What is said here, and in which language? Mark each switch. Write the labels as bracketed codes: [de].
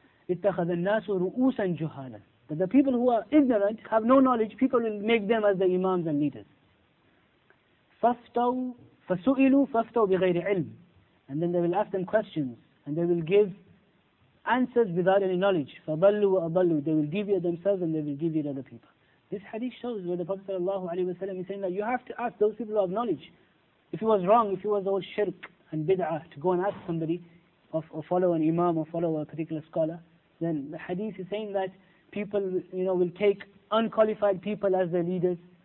[ar] Ittakhadha an-nasu ru'usan juhalan, [en] that the people who are ignorant, have no knowledge, people will make them as the imams and leaders. [ar] Faftaw فَسُئِلُوا فَفْتَوْا بِغَيْرِ عِلْمٍ. [en] And then they will ask them questions, and they will give answers without any knowledge. [ar] فَضَلُّوا وَأَضَلُّوا. [en] They will deviate themselves and they will deviate other people. This hadith shows where the Prophet sallallahu alayhi wa sallam is saying that you have to ask those people who have knowledge. If it was wrong, if it was all shirk and bid'ah to go and ask somebody, or follow an imam or follow a particular scholar, then the hadith is saying that people, will take unqualified people as their leaders.